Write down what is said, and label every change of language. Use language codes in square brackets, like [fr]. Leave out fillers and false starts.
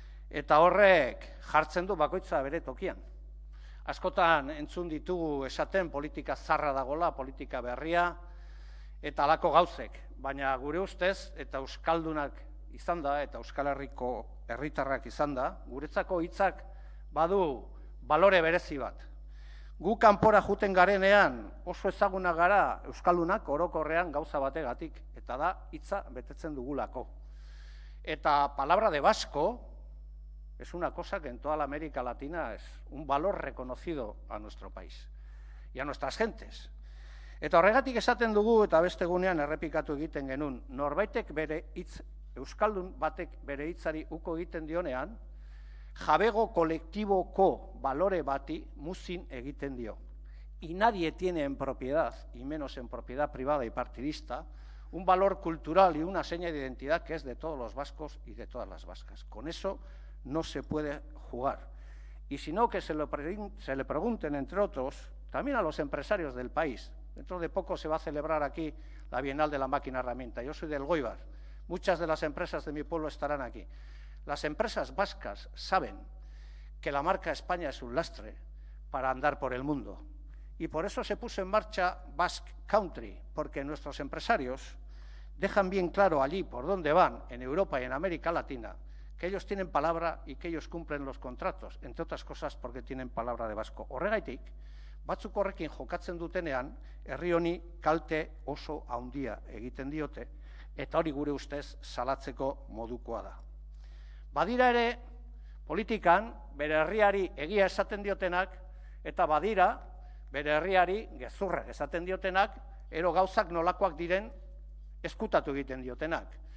[eu] Eta horrek jartzen du bakoitza bere tokian. Askotan entzun ditugu esaten politika zarra dagola, politika berria eta alako gauzek, baina gure ustez eta euskaldunak izanda eta Euskal Herriko herritarrak izanda, guretzako hitzak badu balore berezi bat. Gu kanpora joeten garenean oso ezaguna gara euskaldunak orokorrean gauza bategatik eta da hitza betetzen dugulako. [es] Eta palabra de basko es una cosa que en toda la América Latina es un valor reconocido a nuestro país y a nuestras gentes. [eu] Eta horregatik esaten dugu eta beste gunean errepikatu egiten genuen, norbaitek bere hitz, euskaldun batek bere hitzari uko egiten dionean, jabego kolektiboko balore bati muzin egiten dio. [es] Y nadie tiene en propiedad, y menos en propiedad privada y partidista, un valor cultural y una seña de identidad que es de todos los vascos y de todas las vascas. Con eso no se puede jugar. Y si no, que se le pregunten, entre otros, también a los empresarios del país. Dentro de poco se va a celebrar aquí la Bienal de la Máquina Herramienta. Yo soy de Elgoibar. Muchas de las empresas de mi pueblo estarán aquí. Las empresas vascas saben que la marca España es un lastre para andar por el mundo. Y por eso se puso en marcha Basque Country, porque nuestros empresarios dejan bien claro allí por dónde van, en Europa y en América Latina, que ellos tienen palabra y que ellos cumplen los contratos, entre otras cosas porque tienen palabra de vasco. [eu] Horregaitik, batzuk horrekin jokatzen dutenean, herri honi kalte oso handia egiten diote, eta hori gure ustez salatzeko modukoa da. Badira ere, politikan, bere herriari egia esaten diotenak, eta badira, bere herriari gezurra esaten diotenak, ero gauzak nolakoak diren eskutatu egiten diotenak.